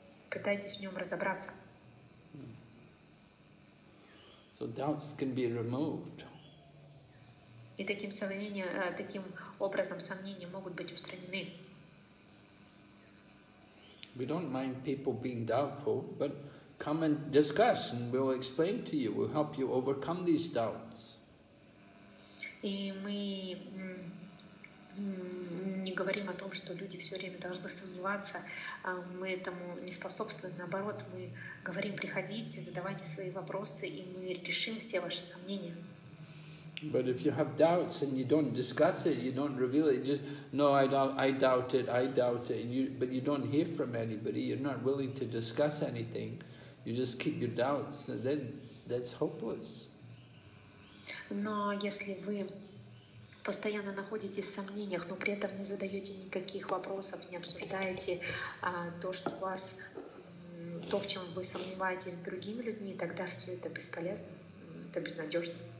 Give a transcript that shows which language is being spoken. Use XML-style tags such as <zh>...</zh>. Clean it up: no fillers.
<ru>Пытайтесь в нем разобраться.</ru> <en>So doubts can be removed.</en> <ru>И таким образом сомнения могут быть устранены.</ru> <en>We don't mind people being doubtful, but come and discuss, and we'll explain to you. We'll help you overcome these doubts.</en> <ru>И мы не говорим о том, что люди все время должны сомневаться, мы этому не способствуем. Наоборот, мы говорим: приходите, задавайте свои вопросы, и мы решим все ваши сомнения.</ru> <en>But if you have doubts and you don't discuss it, you don't reveal it, just no, I doubt it, and but you don't hear from anybody, you're not willing to discuss anything, you just keep your doubts, and then that's hopeless.</en> <ru>Но если вы постоянно находитесь в сомнениях, но при этом не задаете никаких вопросов, не обсуждаете то, что вас, то, в чем вы сомневаетесь с другими людьми, тогда все это бесполезно, это безнадежно.</ru>